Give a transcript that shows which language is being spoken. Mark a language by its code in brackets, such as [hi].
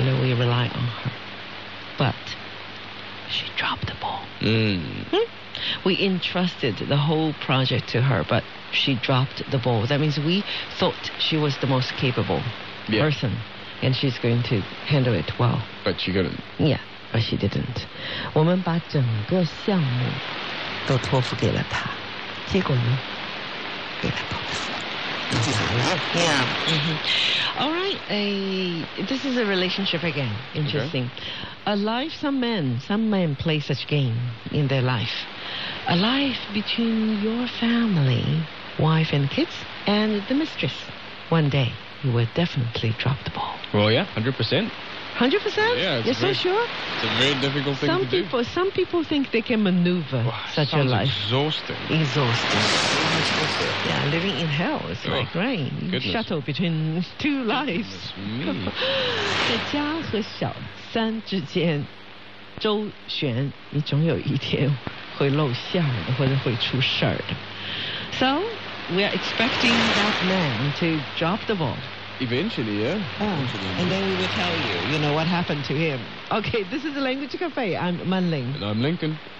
[en] You know, we rely on her. But she dropped the ball. Mm. We entrusted the whole project to her, but she dropped the ball. That means we thought she was the most capable person. and she's going to handle it well. But she couldn't. Yeah, but she didn't. [zh] 我们把整个项目都托付给了她，结果呢，给她报复了。 [en] Yeah. All right. This is a relationship again. Interesting. Okay. Alive, some men play such game in their life. Alive between your family, wife and kids, and the mistress. One day, you will definitely drop the ball. Well, yeah, 100%. 100%? Yeah, you're so sure? It's a very difficult thing some people, do. Some people think they can maneuver wow, such a life. Exhausting. Exhausting. Yeah, living in hell is oh, like, right? Goodness. Shuttle between two lives. Goodness me. [zh] 在家和小三之间周旋，你总有一天会露馅的，或者会出事儿的。 [en] So, we are expecting that man to drop the ball. Eventually, yeah. Eventually. And then we will tell you, you know, what happened to him. Okay, this is the Language Cafe. I'm Manling. And I'm Lincoln.